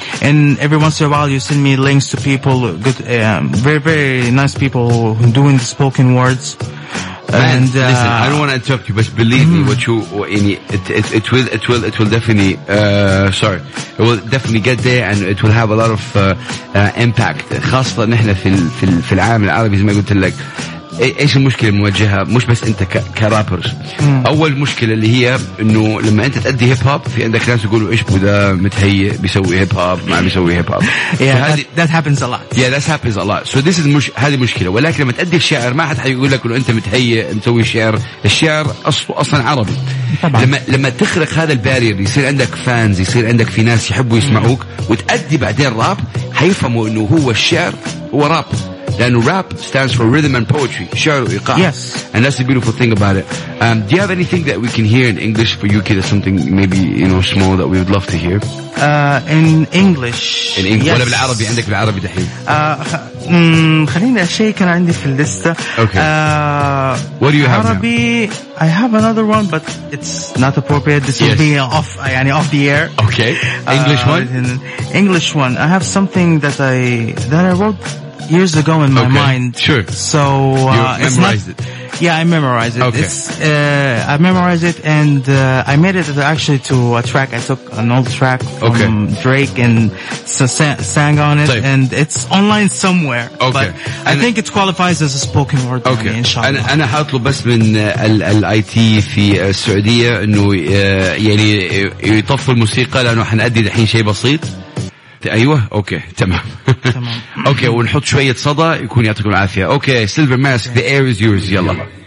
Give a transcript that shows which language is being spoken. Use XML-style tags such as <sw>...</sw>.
<en>And every once in a while you send me links to people, good, very, very nice people doing the spoken words. Man, and listen, I don't want to interrupt you, but believe me, what you it will definitely it will definitely get there, and it will have a lot of impact.</en> <ar>خاصة نحنا في العالم العربي زي ما قلت لك إيش المشكلة المواجهة مش بس أنت كرابرز أول مشكلة اللي هي إنه لما أنت تأدي هيب هوب في عندك ناس يقولوا إيش بده متهيئ بيسوي هيب هوب ما بيسوي هيب هوب</ar> <en>that happens a lot so this is</en> <ar>هذه مشكلة ولكن لما تأدي الشعر ما حد حيقول لك إنه أنت متهيئ مسوي شعر الشعر أصلا عربي طبعا. لما تخرق هذا البارير يصير عندك فانز يصير عندك في ناس يحبوا يسمعوك وتأدي بعدين راب حيفهموا إنه هو الشعر هو راب</ar> <en>Then rap stands for rhythm and poetry.</en> <ar>شعر وإيقاع.</ar> <en>Yes. And that's the beautiful thing about it. Do you have anything that we can hear in English for UK? That's something maybe you know small that we would love to hear. In English. In English.</en> <ar>ولا بالعربي عندك بالعربي دحين. خليني أشيء كان عندي في اللستة.</ar> <en>Okay. What do you have?</en> <ar>عربي.</ar> <en>Now? I have another one, but it's not appropriate. This will be off. يعني off the air. Okay. English one. English one. I have something that I wrote. Years ago in my mind. Sure. So you memorized it's not, it. Yeah, I memorized it. Okay. It's I memorized it and I made it actually to a track. I took an old track from Drake and sang on it. Play. And it's online somewhere. Okay. But I think it qualifies as a spoken word. Okay. Inshallah.</en> <ar>أنا حاطلو بس من ال IT في السعودية إنه يعني يطفي الموسيقى لأنه حنأدي الحين شيء بسيط. ايوه اوكي تمام تمام اوكي ونحط شويه صدى يكون يعطيكم العافيه اوكي سيلفر ماسك</ar> <en>the air is yours</en> <ar>يلا</ar>